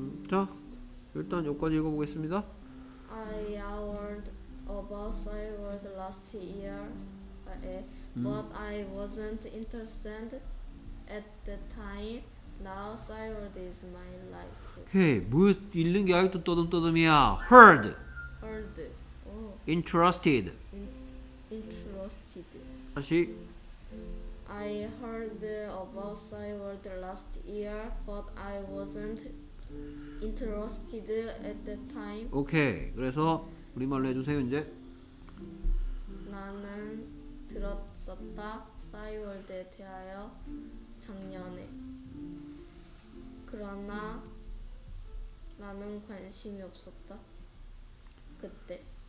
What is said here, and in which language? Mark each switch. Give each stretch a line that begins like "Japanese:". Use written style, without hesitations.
Korean: 자, 일단 여기까지 읽어보겠습니다.
English: I heard about Cyworld last year, but I wasn't interested at the time. Now Cyworld is my life. Okay.
Korean: 뭐 읽는 게 아직도 떠듬떠듬이야.
English: Heard. Heard. Oh. Interested. Interested.
Korean: 다시.
English: I heard about Cyworld last year, but I wasn't interested at the time. Okay.
Korean: 그래서 우리말로 해주세요 이제. 나는 들었었다 Cyworld에 대하여 작년에. 그러나 나는 관심이 없었다 그때.